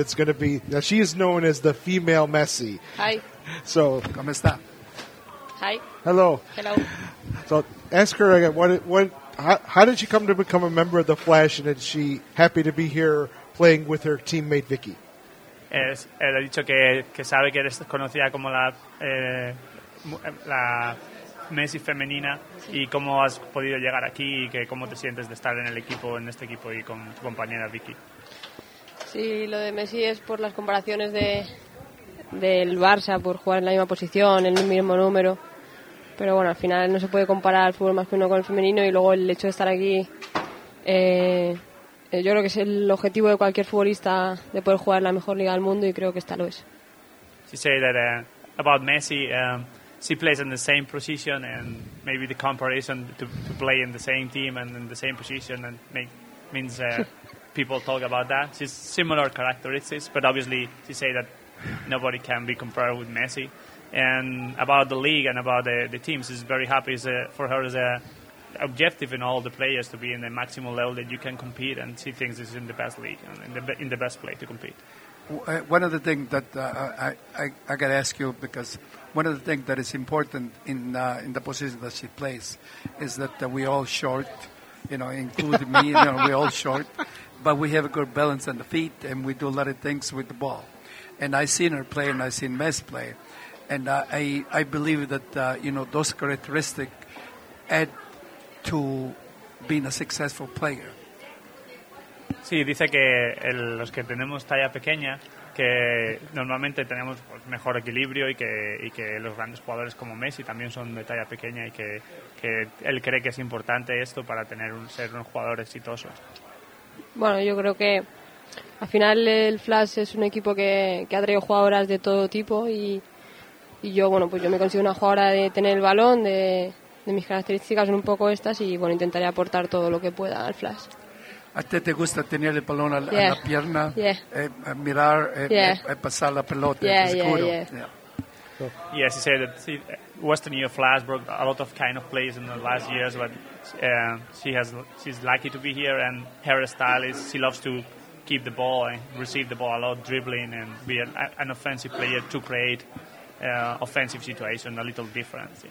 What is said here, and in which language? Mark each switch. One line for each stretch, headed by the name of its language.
English: It's going to be, now she is known as the female Messi. Hi. So,
Spanish: ¿cómo está?
English: Hi. Hello. Hello. So ask her again, how did she come to become a member of the Flash, and is she happy to be here playing with her teammate Vicky?
Spanish: Él ha dicho que sabe que eres conocida como la Messi femenina, sí. Y cómo has podido llegar aquí y que cómo te sientes de estar en el equipo, en este equipo y con tu compañera Vicky. Sí, lo de Messi es por las comparaciones del Barça, por jugar en la misma posición, el mismo número. Pero bueno, al final no se puede comparar el fútbol masculino con el femenino, y luego el hecho de estar aquí... Yo creo que es el objetivo de cualquier futbolista de poder jugar la mejor liga del mundo, y creo que esta lo es.
English: She said that about Messi, she plays in the same position, and maybe the comparison to play in the same team and in the same position and means people talk about that. She's similar characteristics, but obviously she said that nobody can be compared with Messi. And about the league and about the teams, she's very happy for her as a objective in all the players to be in the maximum level that you can compete, and she thinks this is in the best league and in the best play to compete. One of the things that I got to ask you, because one of the things that is important in the position that she plays is that we all short, you know, including me, you know, we all short, but we have a good balance on the feet and we do a lot of things with the ball. And I've seen her play and I've seen Messi play, and I believe that you know, those characteristics add to being a successful player.
Spanish: Sí, dice que los que tenemos talla pequeña, que normalmente tenemos mejor equilibrio, y que los grandes jugadores como Messi también son de talla pequeña, y que él cree que es importante esto para ser un jugador exitoso. Bueno, yo creo que al final el Flash es un equipo que atrae jugadoras de todo tipo, y yo, bueno, pues yo me considero una jugadora de tener el balón, de mis características son un poco estas, y bueno, intentaré aportar todo lo que pueda al Flash. ¿A ti te gusta tener el balón a la pierna?
English: Yeah.
Spanish: Mirar, pasar la pelota.
English: Yeah,
Spanish: es
English: yeah, cool. Yeah. Yeah. So. Yes, he said that Western New Flash broke a lot of kind of plays in the last years, but she's lucky to be here, and her style is she loves to keep the ball and receive the ball a lot, dribbling and be an offensive player to create offensive situation a little different.